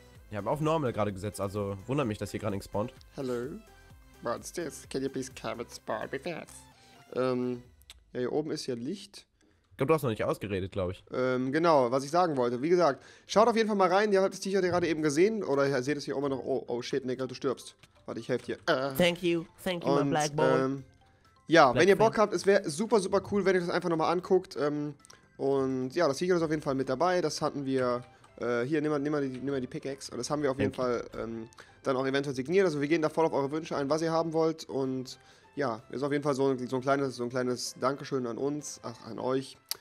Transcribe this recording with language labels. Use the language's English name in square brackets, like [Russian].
[German] Ich habe auf Normal gerade gesetzt, also wundert mich, dass hier gerade nichts spawnt. [English] Hello. What's this? Can you please come and spawn with us? [German] Ja, hier oben ist ja Licht. glaube, du hast noch nicht ausgeredet, glaube ich. Genau, was ich sagen wollte. Wie gesagt, schaut auf jeden Fall mal rein. Ihr habt das T-Shirt gerade eben gesehen. Oder ihr seht es hier immer noch. Oh, oh shit, Nigga, du stirbst. Warte, ich helfe dir. [English] Thank you, und, my black boy. [German] Ja, black wenn ihr Bock habt, es wäre super, super cool, wenn ihr das einfach nochmal anguckt. Und ja, das T-Shirt ist auf jeden Fall mit dabei. Das hatten wir... hier, nimm mal die Pickaxe. Und das haben wir auf jeden Fall dann auch eventuell signiert. Also wir gehen da voll auf eure Wünsche ein, was ihr haben wollt. Und ja, ist auf jeden Fall so ein kleines Dankeschön an uns, ach, an euch.